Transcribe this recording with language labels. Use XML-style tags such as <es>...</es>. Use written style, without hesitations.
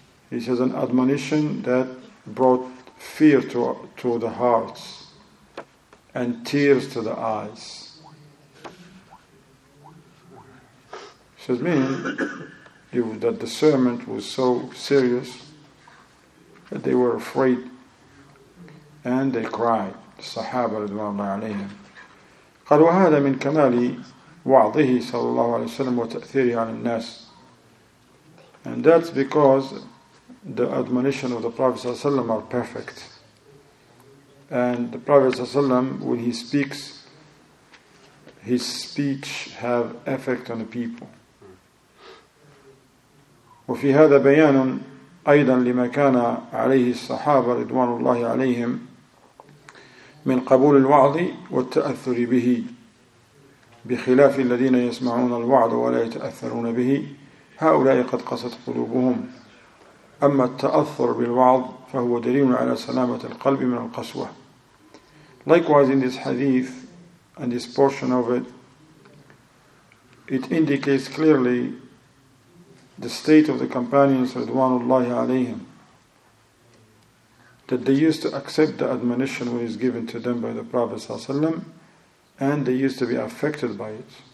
<en>He says an admonition that brought fear to the hearts and tears to the eyes. He says meaning that the sermon was so serious that they were afraid and they cried. The Sahaba</en> <ar>رضوان الله عليهم قال وهذا من كمال وعظه صلى الله عليه وسلم وتأثيره على الناس.</ar> <en>And that's because the admonition of the Prophet</en> <ar>صلى الله عليه وسلم</ar> <en>are perfect. And the Prophet</en> <ar>صلى الله عليه وسلم,</ar> <en>when he speaks, his speech have effect on the people.</en> <ar>وفي هذا بيان أيضا لما كان عليه الصحابة رضوان الله عليهم من قبول الوعظ والتأثر به بخلاف الذين يسمعون الوعظ ولا يتأثرون به، هؤلاء قد قست قلوبهم. أما التأثر بالوعظ فهو دليل على سلامة القلب من القسوة.</ar> <en>Likewise in this hadith and this portion of it, it indicates clearly the state of the companions</en> <ar>رضوان الله عليهم</ar> <en>that they used to accept the admonition which is given to them by the Prophet ﷺ, and they used to be affected by it.</en>